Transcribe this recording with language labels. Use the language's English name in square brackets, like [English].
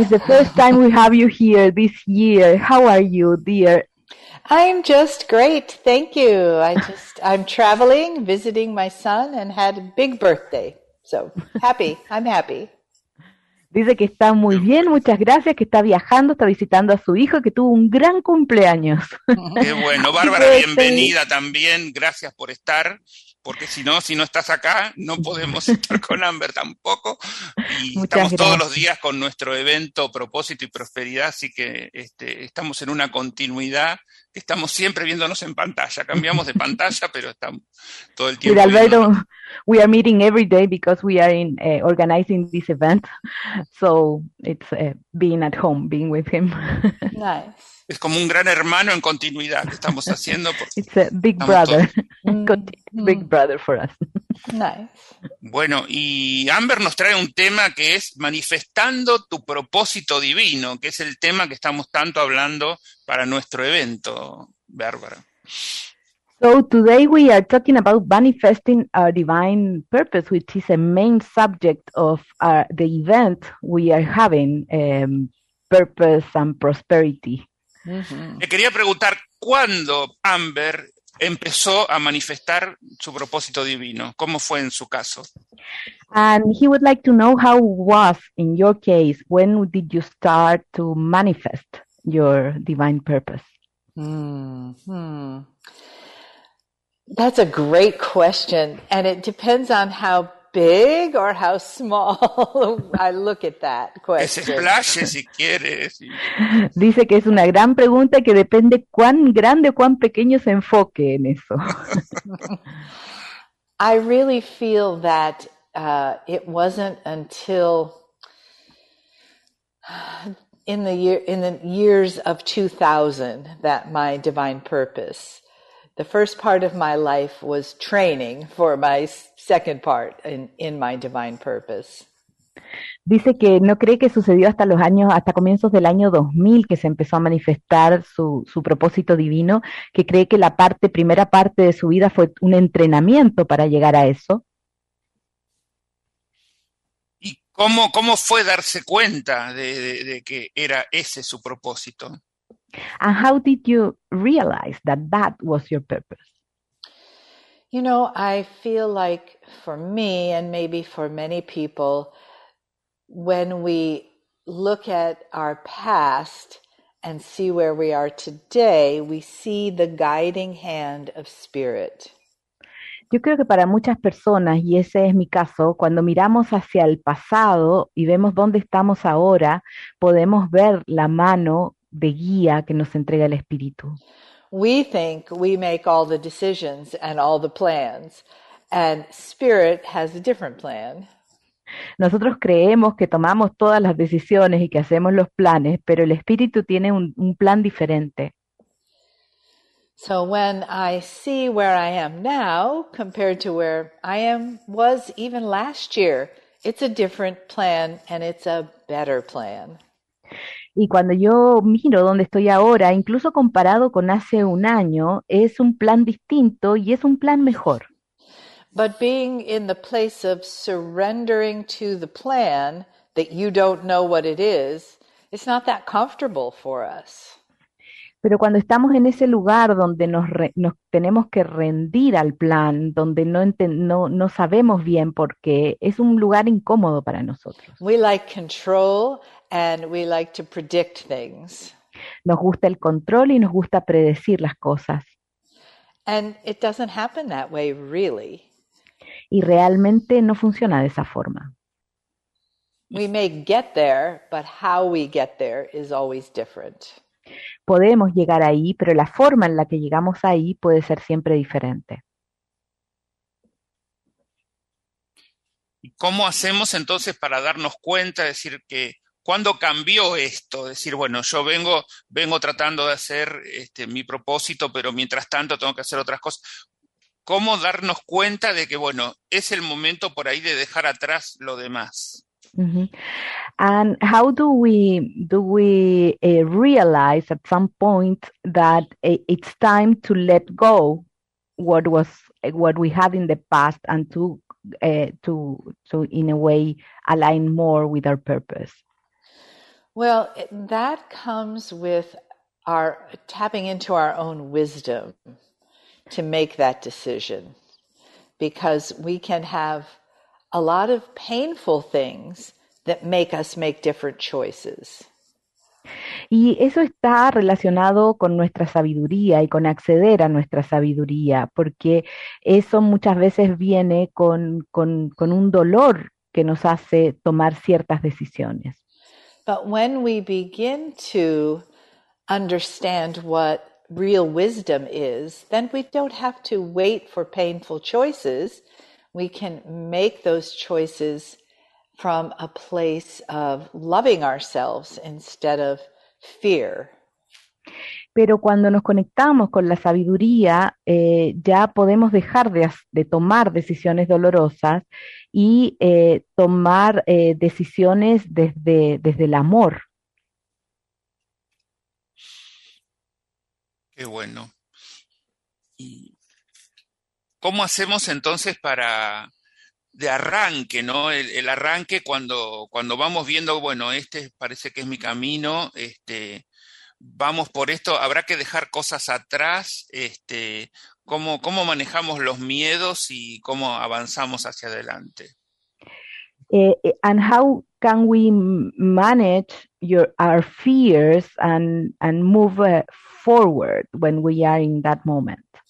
[English] It's the first time we have you here this year. How are you, dear? I'm just great, thank you. I'm traveling, visiting my son and had a big birthday. I'm happy. [Spanish] Dice que está muy bien, muchas gracias, que está viajando, está visitando a su hijo, que tuvo un gran cumpleaños. Qué bueno, Bárbara, bienvenida también, gracias por estar, porque si no estás acá, no podemos estar con Amber tampoco. Y muchas gracias. Todos los días con nuestro evento Propósito y Prosperidad, así que estamos en una continuidad. Estamos siempre viéndonos en pantalla. Cambiamos de pantalla, pero estamos todo el tiempo. [English] With Alberto, we are meeting every day because we are in organizing this event. So it's being at home, being with him. Nice. [Spanish] Es como un gran hermano en continuidad que estamos haciendo. [English] It's a big brother. Big brother for us. Nice. [Spanish] Bueno, y Amber nos trae un tema que es manifestando tu propósito divino, que es el tema que estamos tanto hablando para nuestro evento, Bárbara. [English] So today we are talking about manifesting our divine purpose, which is a main subject of the event we are having, purpose and prosperity. [Spanish] Mm-hmm. Le quería preguntar, ¿cuándo Amber empezó a manifestar su propósito divino? ¿Cómo fue en su caso? [English] And he would like to know how was in your case, when did you start to manifest your divine purpose? That's a great question, and it depends on how big or how small I look at that question. [Spanish] Que se explaye si quieres. Dice que es una gran pregunta que depende cuán grande o cuán pequeño se enfoque en eso. [English] I really feel that it wasn't until in the years of 2000 that my divine purpose. The first part of my life was training for my second part in my divine purpose. [Spanish] Dice que no cree que sucedió hasta comienzos del año 2000 que se empezó a manifestar su propósito divino, que cree que la primera parte de su vida fue un entrenamiento para llegar a eso. ¿Y cómo fue darse cuenta de que era ese su propósito? [English] And how did you realize that was your purpose? You know, I feel like for me, and maybe for many people, when we look at our past and see where we are today, we see the guiding hand of spirit. [Spanish] Yo creo que para muchas personas, y ese es mi caso, cuando miramos hacia el pasado y vemos dónde estamos ahora, podemos ver la mano de guía que nos entrega el espíritu. [English] We think we make all the decisions and all the plans, and spirit has a different plan. [Spanish] Nosotros creemos que tomamos todas las decisiones y que hacemos los planes, pero el espíritu tiene un plan diferente. [English] So when I see where I am now compared to where I was even last year, it's a different plan and it's a better plan. [Spanish] Y cuando yo miro dónde estoy ahora, incluso comparado con hace un año, es un plan distinto y es un plan mejor. [English] But being in the place of surrendering to the plan that you don't know what it is, it's not that comfortable for us. [Spanish] Pero cuando estamos en ese lugar donde nos tenemos que rendir al plan, donde no sabemos bien por qué, es un lugar incómodo para nosotros. [English] We like control and we like to predict things. [Spanish] Nos gusta el control y nos gusta predecir las cosas. [English] And it doesn't happen that way, really. [Spanish] Y realmente no funciona de esa forma. [English] We may get there, but how we get there is always different. [Spanish] Podemos llegar ahí, pero la forma en la que llegamos ahí puede ser siempre diferente. ¿Cómo hacemos entonces para darnos cuenta, decir que cuándo cambió esto? Decir, bueno, yo vengo tratando de hacer mi propósito, pero mientras tanto tengo que hacer otras cosas. ¿Cómo darnos cuenta de que, bueno, es el momento por ahí de dejar atrás lo demás? Mm-hmm. [English] And how do we realize at some point that it's time to let go what we had in the past and to in a way align more with our purpose? Well, that comes with our tapping into our own wisdom to make that decision, because we can have a lot of painful things that make us make different choices. [Spanish] Y eso está relacionado con nuestra sabiduría y con acceder a nuestra sabiduría, porque eso muchas veces viene con un dolor que nos hace tomar ciertas decisiones. [English] But when we begin to understand what real wisdom is, then we don't have to wait for painful choices. We can make those choices from a place of loving ourselves instead of fear. [Spanish] Pero cuando nos conectamos con la sabiduría, ya podemos dejar de tomar decisiones dolorosas y tomar decisiones desde el amor. Qué bueno. ¿Y cómo hacemos entonces para de arranque, ¿no? El arranque cuando vamos viendo, bueno, este parece que es mi camino, vamos por esto, habrá que dejar cosas atrás, ¿cómo manejamos los miedos y cómo avanzamos hacia adelante? [English] And how can we manage our fears and move forward when we are in that moment?